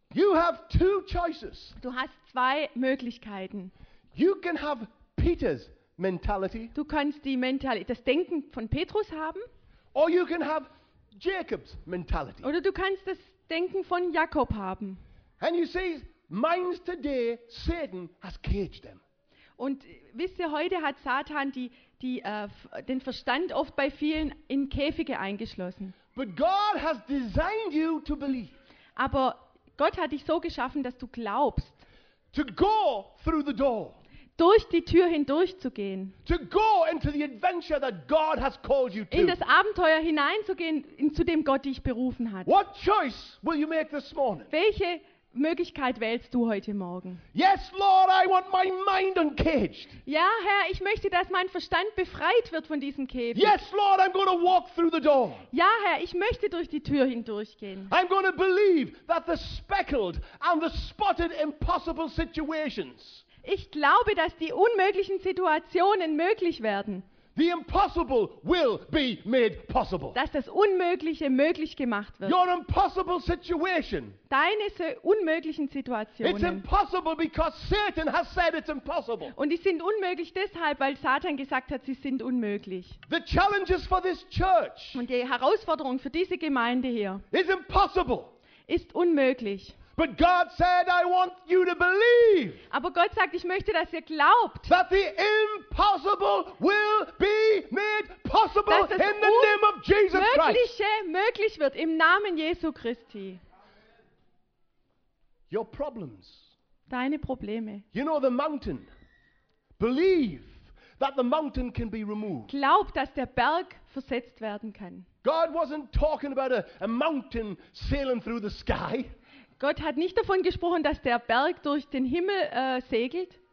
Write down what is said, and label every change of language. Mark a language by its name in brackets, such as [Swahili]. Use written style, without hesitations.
[English] You have two choices. [German] Du hast zwei Möglichkeiten. [English] You can have Peter's mentality. [German] Du kannst die Mentalität, das Denken von Petrus haben. [English] Or you can have Jacob's mentality. [German] Oder du kannst das Denken von Jakob haben. [English] And you see, minds today, Satan has caged them. [German] Und wisst ihr, heute hat Satan den Verstand oft bei vielen in Käfige eingeschlossen. [English] But God has designed you to believe. [German] Aber Gott hat dich so geschaffen, dass du glaubst. [English] To go through the door. [German] Durch die Tür hindurch zu gehen. [English] To go into the adventure that God has called you to. [German] In das Abenteuer hineinzugehen, zu dem Gott dich berufen hat. [English] What choice will you make this morning? [German] Welche Möglichkeit wählst du heute Morgen? [English] Yes, Lord, I want my mind uncaged. [German] Ja, Herr, ich möchte, dass mein Verstand befreit wird von diesem Käfig. [English] Yes, Lord, I'm going to walk through the door. [German] Ja, Herr, ich möchte durch die Tür hindurchgehen. [English] I'm going to believe that the speckled and the spotted impossible situations. [German] Ich glaube, dass die unmöglichen Situationen möglich werden. [English] The impossible will be made possible. [German] Dass das Unmögliche möglich gemacht wird. [English] Your impossible situation. [German] Deine unmöglichen Situationen. [English] It's impossible because Satan has said it's impossible. [German] Und die sind unmöglich deshalb, weil Satan gesagt hat, sie sind unmöglich. [English] The challenges for this church. [German] Und die Herausforderung für diese Gemeinde hier. [English] Is impossible. [German] Ist unmöglich. [English] But God said, I want you to believe. [German] Aber Gott sagt, ich möchte, dass ihr glaubt. [English] That the impossible will be made possible in the name of Jesus Christ. [German] Dass das Unmögliche möglich wird im Namen Jesu Christi. [English] Your problems. [German] Deine Probleme. [English] You know the mountain. Believe that the mountain can be removed. [German] Glaub, dass der Berg versetzt werden kann. [English] God wasn't talking about a mountain sailing through the sky. [German] Gott hat nicht davon gesprochen, dass der Berg durch den Himmel segelt.